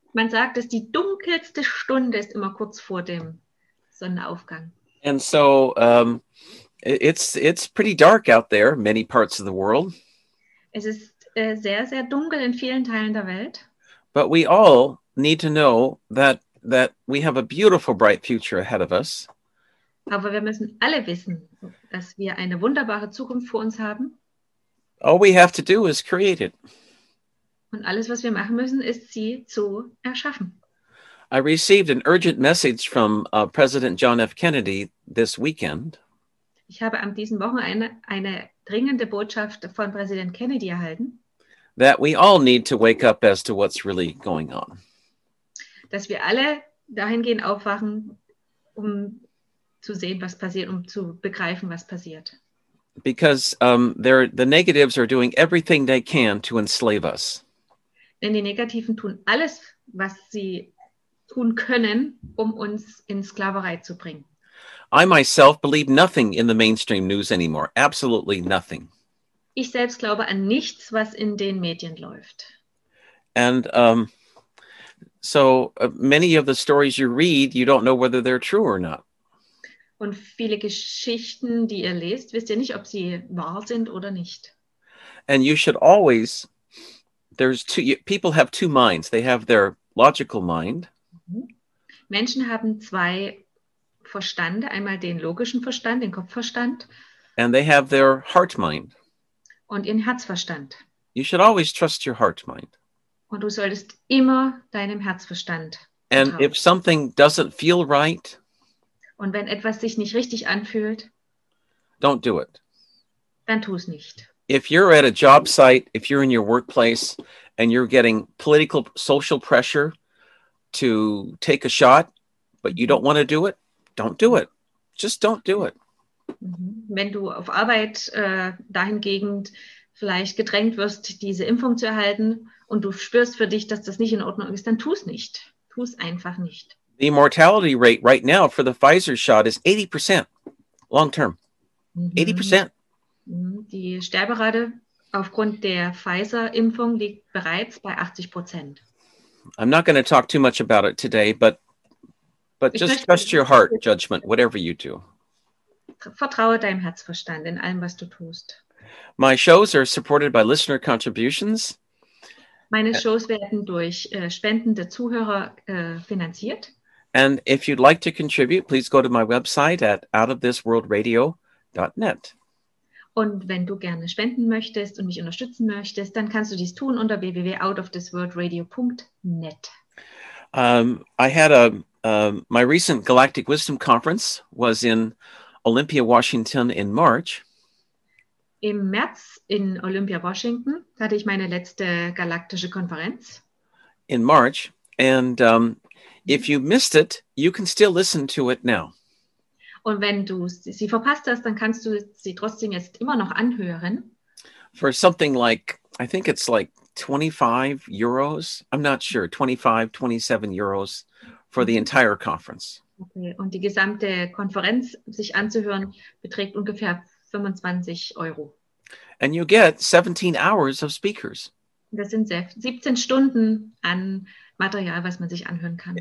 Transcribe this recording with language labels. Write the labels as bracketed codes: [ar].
[de] Man sagt, dass die dunkelste Stunde ist immer kurz vor dem Sonnenaufgang. [en] And so it's pretty dark out there, many parts of the world. [de] Es ist sehr, sehr dunkel in vielen Teilen der Welt. [en] But we all need to know that we have a beautiful, bright future ahead of us. [de] Aber wir müssen alle wissen, dass wir eine wunderbare Zukunft vor uns haben. [en] All we have to do is create it. [de] Und alles, was wir machen müssen, ist sie zu erschaffen. [en] I received an urgent message from President John F. Kennedy this weekend. [de] Ich habe am diesen Wochen eine dringende Botschaft von Präsident Kennedy erhalten. [en] That we all need to wake up as to what's really going on. [de] Dass wir alle dahingehend aufwachen, um zu sehen, was passiert, um zu begreifen, was passiert. [en] Because the negatives are doing everything they can to enslave us. [de] Denn die Negativen tun alles, was sie tun können, um uns in Sklaverei zu bringen. [en] I myself believe nothing in the mainstream news anymore. Absolutely nothing. [de] Ich selbst glaube an nichts, was in den Medien läuft. [en] And many of the stories you read, you don't know whether they're true or not. [de] Und viele Geschichten, die ihr lest, wisst ihr nicht, ob sie wahr sind oder nicht. [en] And you should always, people have two minds. They have their logical mind. [de] Menschen haben zwei Verstände, einmal den logischen Verstand, den Kopfverstand. [en] And they have their heart mind. [de] Und ihren Herzverstand. [en] You should always trust your heart mind. [de] Und du solltest immer deinem Herzverstand vertrauen. [en] And if something doesn't feel right, [de] und wenn etwas sich nicht richtig anfühlt, [en] don't do it. [de] Dann tu es nicht. [en] If you're at a job site, if you're in your workplace and you're getting political, social pressure to take a shot, but you don't want to do it, don't do it. Just don't do it. [de] Wenn du auf Arbeit dahingehend vielleicht gedrängt wirst, diese Impfung zu erhalten und du spürst für dich, dass das nicht in Ordnung ist, dann tu es nicht. Tu es einfach nicht. [en] The mortality rate right now for the Pfizer shot is 80% long term. 80%. [de] Die Sterberate aufgrund der Pfizer-Impfung liegt bereits bei 80%. [en] I'm not going to talk too much about it today, but just trust your heart judgment, whatever you do. [de] Vertraue deinem Herzverstand in allem, was du tust. [en] My shows are supported by listener contributions. [de] Meine Shows werden durch Spenden der Zuhörer finanziert. [en] And if you'd like to contribute, please go to my website at outofthisworldradio.net. [de] Und wenn du gerne spenden möchtest und mich unterstützen möchtest, dann kannst du dies tun unter www.outofthisworldradio.net. [en] I had my recent Galactic Wisdom Conference was in Olympia, Washington in March. [de] Im März in Olympia, Washington hatte ich meine letzte galaktische Konferenz. [en] In March. And if you missed it, you can still listen to it now. [de] Und wenn du sie verpasst hast, dann kannst du sie trotzdem jetzt immer noch anhören. [en] For something like, I think it's like 25 euros. I'm not sure, 25, 27 euros for the entire conference. Okay. [de] Und die gesamte Konferenz sich anzuhören beträgt ungefähr 25 Euro. [en] And you get 17 hours of speakers. [de] Das sind 17 Stunden an Material, was man sich anhören kann.